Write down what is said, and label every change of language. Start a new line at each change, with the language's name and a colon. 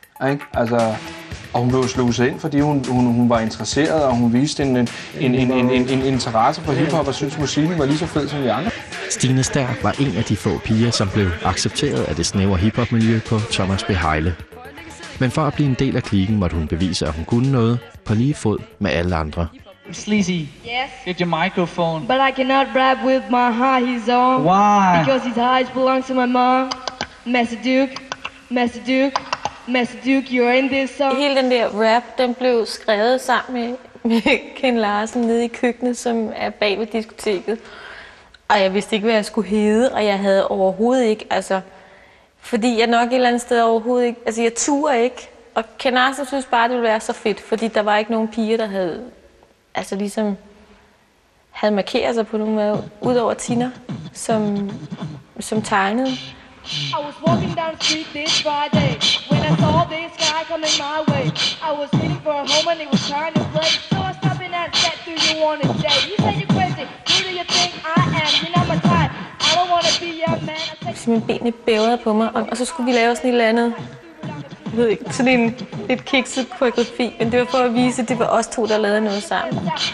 Danish: Ikke? Altså, og hun blev sluset ind, fordi hun var interesseret, og hun viste en interesse for hiphop, og synes musikken var lige så fed som de andre. Stine Stær var en af de få piger, som blev accepteret af det snævre hiphop-miljø på Thomas B. Heile. Men for at blive en del af klikken, måtte hun bevise, at hun kunne noget på lige fod med alle andre.
English: Sleazy, yes? Get your microphone. But I cannot rap with my high heels on. Why? Because his highs belongs to my mom. Master Duke, you're in this song.
Danish: Hele den der rap, den blev skrevet sammen med Ken Larsen nede i køkkenet, som er bag ved diskoteket. Og jeg vidste ikke, hvad jeg skulle hedde, og jeg havde overhovedet ikke, altså... Fordi jeg nok et eller andet sted overhovedet ikke, altså jeg turer ikke. Og Kenarsen synes bare, det ville være så fedt, fordi der var ikke nogen piger, der havde, altså ligesom, havde markeret sig på nogen måde, ud over Tina, som tegnede.
English: I was walking down the street this Friday, when I saw this guy coming my way. I was heading for a home and he was trying to play. So I stopped and I said, do you want to stay? You said you're crazy, who do you think I am? You're not my type.
Danish: Simpelthen benene bævrede på mig, og så skulle vi lave sådan et eller andet, jeg ved ikke, sådan en lidt kikset koreografi, men det var for at vise, at det var os to, der lavede noget sammen.